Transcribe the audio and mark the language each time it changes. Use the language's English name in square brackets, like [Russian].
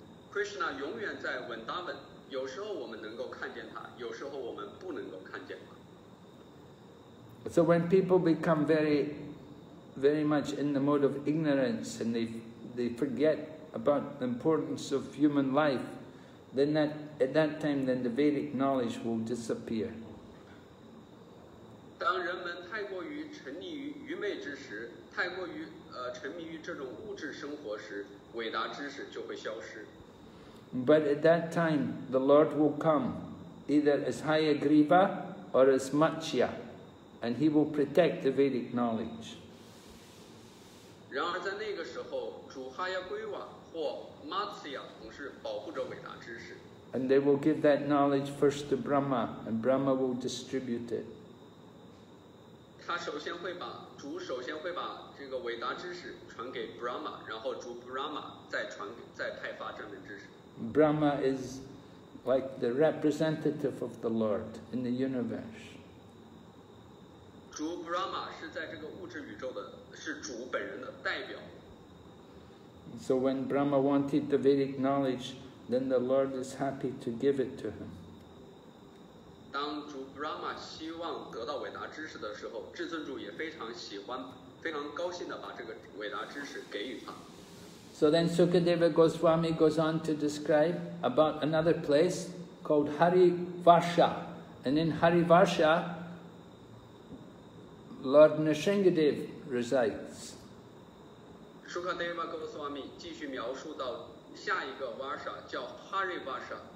[Chinese] Krishna 永远在 Vrindavan, 有时候我们能够看见他，有时候我们不能够看见他。 [English] So when people become very, very much in the mode of ignorance and they forget about the importance of human life, then that, at that time, then the Vedic knowledge will disappear. [Chinese] 当人们太过于沉溺于愚昧之时，太过于沉迷于这种物质生活时，伟大知识就会消失。 [English] But at that time, the Lord will come, either as Hayagriva or as Matsya, and He will protect the Vedic knowledge. [Chinese] 然而在那个时候，主哈耶圭瓦或 Matsya 总是保护着伟大知识。 [English] And they will give that knowledge first to Brahma, and Brahma will distribute it. [Chinese] 他首先会把主首先会把这个伟大知识传给 Brahma， 然后主 Brahma 再派发这门知识。 [English] Brahma is like the representative of the Lord in the universe. [Chinese] 主 Brahma 是在这个物质宇宙的，是主本人的代表。 [English] So when Brahma wanted the Vedic knowledge, then the Lord is happy to give it to him. [Chinese] 当主 Brahma 希望得到伟大知识的时候，至尊主也非常喜欢，非常高兴地把这个伟大知识给予他。 [English] So then Sukadeva Goswami goes on to describe about another place called Harivarsha. And in Harivarsha, Lord Nrsingadev resides. [Chinese] Sukadeva Goswami 继续描述到下一个 Varsha 叫 Harivarsha.